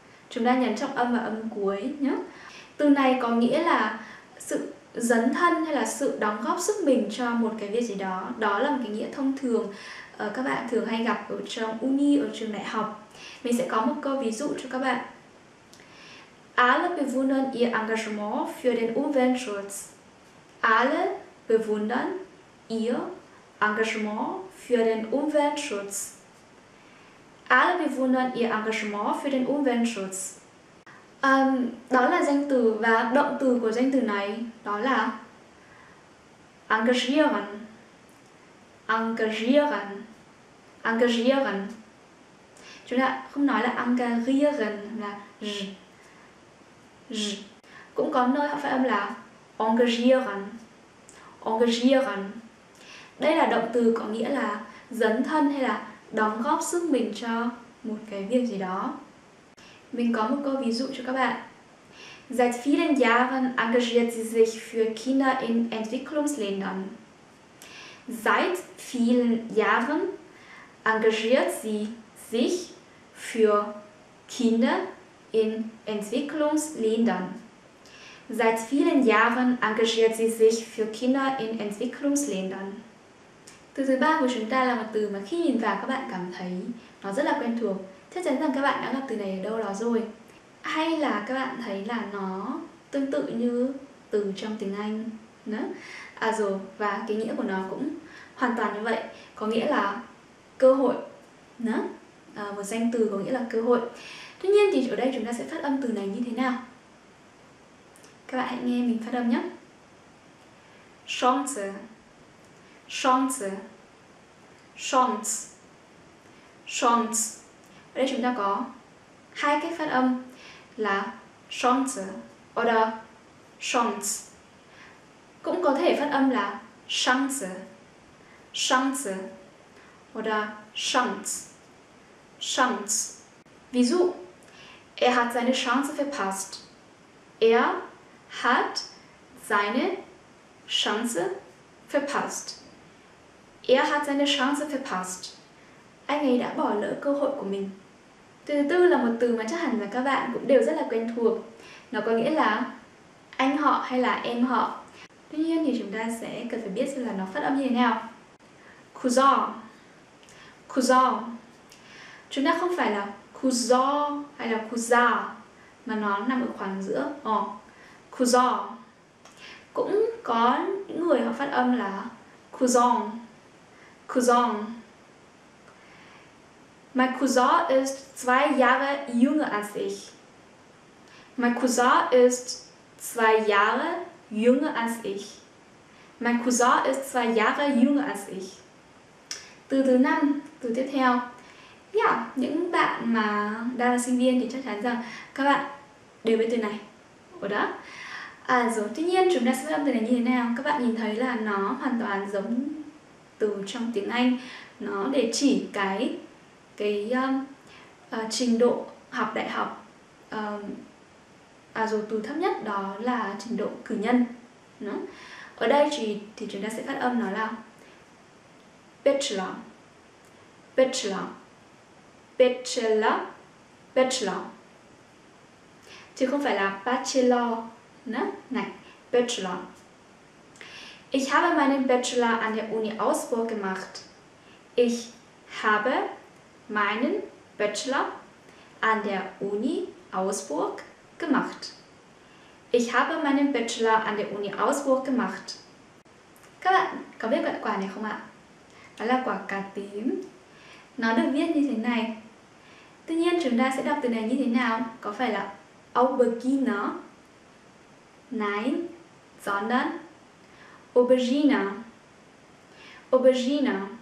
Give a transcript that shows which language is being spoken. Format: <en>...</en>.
<vi>Chúng ta nhấn trọng âm vào âm cuối nhé. Từ này có nghĩa là sự dấn thân hay là sự đóng góp sức mình cho một cái việc gì đó. Đó là một cái nghĩa thông thường các bạn thường hay gặp ở trong uni, ở trường đại học. Mình sẽ có một câu ví dụ cho các bạn.</vi> <de>Alle bewundern ihr Engagement für den Umweltschutz. Alle bewundern ihr Engagement für den Umweltschutz. Alle bewundern ihr Engagement für den Umweltschutz.</de> <vi>Đó là danh từ và động từ của danh từ này đó là engagieren, engagieren, engagieren. Chúng ta không nói là engagieren là r, r. Cũng có nơi họ phát âm là engagieren, engagieren. Đây là động từ có nghĩa là dấn thân hay là đóng góp sức mình cho một cái việc gì đó. Mình có một câu ví dụ cho các bạn.</vi> <de>Seit vielen Jahren engagiert sie sich für Kinder in Entwicklungsländern. Seit vielen Jahren engagiert sie sich für Kinder in Entwicklungsländern. Seit vielen Jahren engagiert sie sich für Kinder in Entwicklungsländern.</de> <vi>Từ thứ ba của chúng ta là một từ mà khi nhìn vào các bạn cảm thấy nó rất là quen thuộc. Chắc chắn rằng các bạn đã gặp từ này ở đâu đó rồi. Hay là các bạn thấy là nó tương tự như từ trong tiếng Anh nữa. À rồi, và cái nghĩa của nó cũng hoàn toàn như vậy. Có nghĩa là cơ hội nữa. À, một danh từ có nghĩa là cơ hội. Tuy nhiên thì ở đây chúng ta sẽ phát âm từ này như thế nào? Các bạn hãy nghe mình phát âm nhé.</vi> <de>Chance. Chance. Chance. Chance.</de> <vi>Ở đây chúng ta có hai cái phát âm là chance oder chance. Cũng có thể phát âm là chance, chance oder chance, chance. Ví dụ,</vi> <de>er hat seine Chance verpasst. Er hat seine Chance verpasst. Er hat seine Chance verpasst.</de> <vi>Anh ấy đã bỏ lỡ cơ hội của mình. Từ tư là một từ mà chắc hẳn là các bạn cũng đều rất là quen thuộc. Nó có nghĩa là anh họ hay là em họ. Tuy nhiên thì chúng ta sẽ cần phải biết xem là nó phát âm như thế nào. Cousin. Cousin. Chúng ta không phải là cousin hay là cousin mà nó nằm ở khoảng giữa. Ồ. Cousin. Cũng có những người họ phát âm là cousin. Cousin.</vi> <de>Mein Cousin ist 2 Jahre jünger als ich. Mein Cousin ist 2 Jahre jünger als ich. Mein Cousin ist 2 Jahre jünger als ich.</de> <vi>Từ thứ năm, từ tiếp theo. Dạ, những bạn mà đang là sinh viên thì chắc chắn rằng các bạn đều biết từ này. Đó. À rồi, tuy nhiên chúng ta sẽ âm từ này như thế nào? Các bạn nhìn thấy là nó hoàn toàn giống từ trong tiếng Anh. Nó để chỉ cái trình độ học đại học. Rồi từ thấp nhất đó là trình độ cử nhân. Đó. Ở đây thì chúng ta sẽ phát âm nó là Bachelor. Bachelor. Bachelor. Bachelor. Chứ không phải là Bachelor.</vi> <de>Ne? Nein, Bachelor. Ich habe meinen Bachelor an der Uni Augsburg gemacht. Ich habe meinen Bachelor an der Uni Augsburg gemacht. Ich habe meinen Bachelor an der Uni Augsburg gemacht.</de> <vi>Các bạn có biết loại quả này không ạ? Đó là quả cà tím. Nó được viết như thế này. Tuy nhiên chúng ta sẽ đọc từ này như thế nào? Có phải là Aubergine?</vi> <de>Nein, sondern Aubergine.</de> <vi>Aubergine.</vi>